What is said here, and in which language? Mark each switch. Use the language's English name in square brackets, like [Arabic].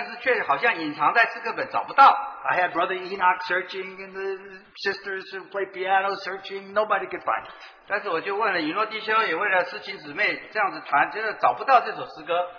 [Chinese] 但是这首诗歌这么宝贝，但是却好像隐藏在诗歌本找不到。 [English] I had Brother Enoch searching and the sisters who play piano searching. Nobody could find it. [Chinese] 但是我就问了尹诺弟兄，也为了师兄姊妹这样子谈，真的找不到这首诗歌。